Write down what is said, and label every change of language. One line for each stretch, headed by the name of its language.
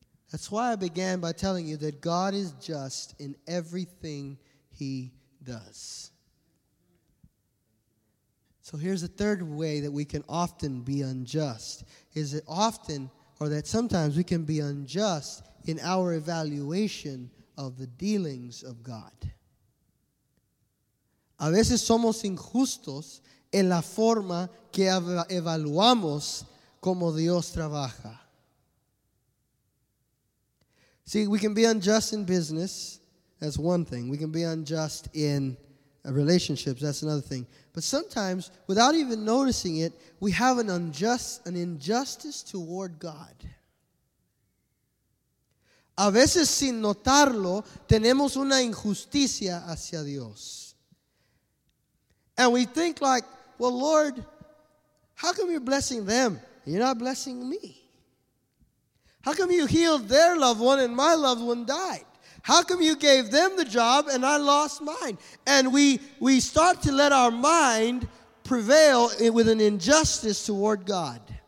English: That's why I began by telling you that God is just in everything he does. So here's a third way that we can often be unjust. Is it often, or that sometimes we can be unjust in our evaluation of the dealings of God.
Spanish: A veces somos injustos en la forma que evaluamos como Dios trabaja.
English: See, we can be unjust in business. That's one thing. We can be unjust in relationships. That's another thing. But sometimes, without even noticing it, we have an injustice toward God.
Spanish: A veces, sin notarlo, tenemos una injusticia hacia Dios.
English: And we think like, well, Lord, how come you're blessing them? You're not blessing me. How come you healed their loved one and my loved one died? How come you gave them the job and I lost mine? And we start to let our mind prevail with an injustice toward God.